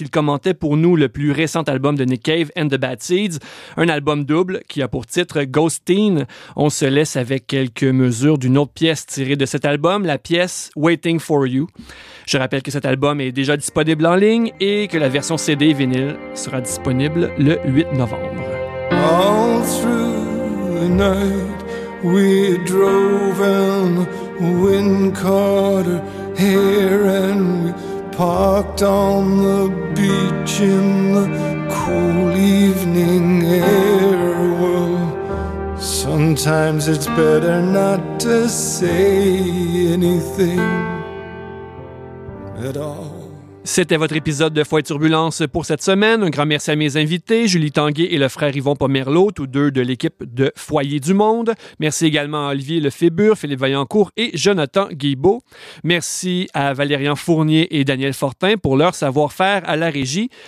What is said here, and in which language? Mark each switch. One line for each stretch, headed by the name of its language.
French: Il commentait pour nous le plus récent album de Nick Cave and the Bad Seeds, un album double qui a pour titre Ghost Teen. On se laisse avec quelques mesures d'une autre pièce tirée de cet album, la pièce Waiting for You. Je rappelle que cet album est déjà disponible en ligne et que la version CD et vinyle sera disponible le 8 novembre.
English: All through the night we drove in wind caught her hair and we parked on the beach in the cool evening air. Well, sometimes it's better not to say anything at all.
French: C'était votre épisode de Foi et Turbulence pour cette semaine. Un grand merci à mes invités, Julie Tanguay et le frère Yvon Pomerleau, tous deux de l'équipe de Foyer du Monde. Merci également à Olivier Lefébure, Philippe Vaillancourt et Jonathan Guibeau. Merci à Valérian Fournier et Daniel Fortin pour leur savoir-faire à la régie.